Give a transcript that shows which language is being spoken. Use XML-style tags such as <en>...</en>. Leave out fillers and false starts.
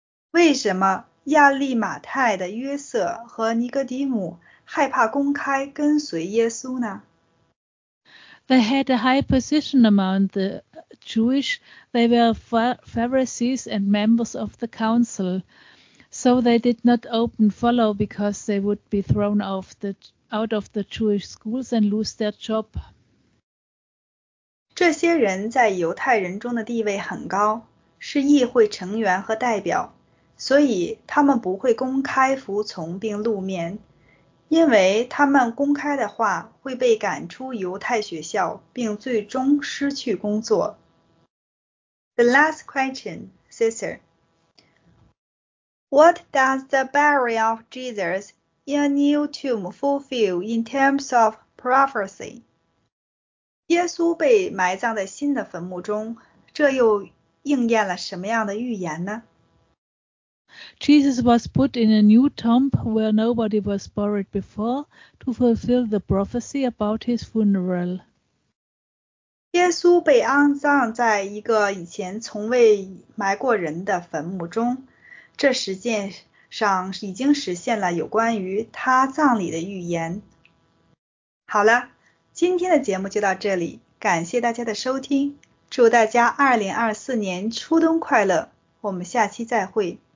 <zh>为什么亚利马太的约瑟和尼哥底母害怕公开跟随耶稣呢？</zh> <en>They had a high position among the Jewish. They were Pharisees and members of the council. So they did not open follow because they would be thrown off out of the Jewish schools and lose their job.</en> <zh>这些人在犹太人中的地位很高，是议会成员和代表，所以他们不会公开服从并露面，因为他们公开的话会被赶出犹太学校，并最终失去工作。</zh> <en>The last question, sister. What does the burial of Jesus? A new tomb fulfill in terms of prophecy.</en> <zh>耶稣被埋葬在新的坟墓中，这又应验了什么样的预言呢？</zh> <en>Jesus was put in a new tomb where nobody was buried before to fulfill the prophecy about his funeral.</en> <zh>耶稣被安葬在一个以前从未埋过人的坟墓中，这实际上已经实现了有关于他葬礼的预言。好了，今天的节目就到这里，感谢大家的收听，祝大家2024年初冬快乐，我们下期再会。</zh>